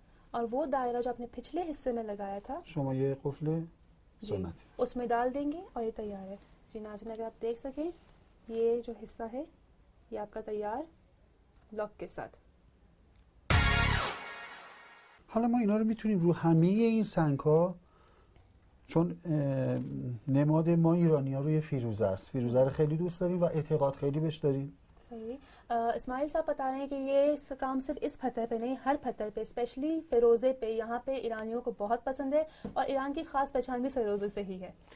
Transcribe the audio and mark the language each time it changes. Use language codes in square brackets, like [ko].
[ur] اور وہ دائرہ جو آپ نے پچھلے حصے میں لگایا تھا [fa] شما یہ قفل سنت [ur] اس میں ڈال دیں گے اور یہ تیار ہے. جی ناظرین اگر آپ دیکھ سکیں یہ جو حصہ ہے یہ آپ کا تیار لاک کے ساتھ. [fa] حالا ما اینا رو میتونیم رو همه این سنگ ها چون نماد ما ایرانی ها روی فیروزه است. فیروزه رو خیلی دوست داریم و اعتقاد خیلی بهش داریم. [ur] اسماعیل صاحب بتا رہے ہیں کہ یہ کام صرف اس پتھر پہ نہیں ہر پتھر پہ اسپیشلی فیروزے پہ یہاں پہ ایرانیوں کو بہت پسند ہے اور ایران کی خاص پہچان بھی فیروزے سے ہی ہے.